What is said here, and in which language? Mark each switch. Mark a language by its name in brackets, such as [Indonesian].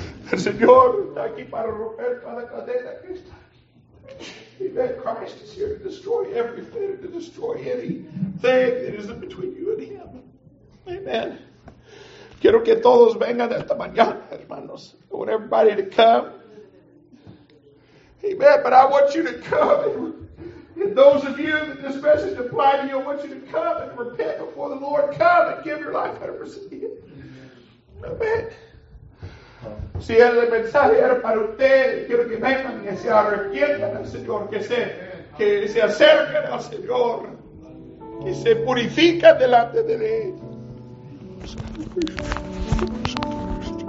[Spanish] El Señor está aquí para romper cada cadena que está. [English] Amen. Christ is here to destroy every fetter, to destroy any thing that is in between you and him. [Spanish] Amen. Quiero que todos vengan esta mañana, hermanos. [English] I want everybody to come. Amen. But I want you to come. And those of you that this message applied to you, I want you to come and repent before the Lord. Come and give your life 100% to him. Amen. [Spanish] Si el mensaje era para usted, quiero que vengan y se arrepientan al Señor, que se acerquen al Señor, que se purifiquen delante de él.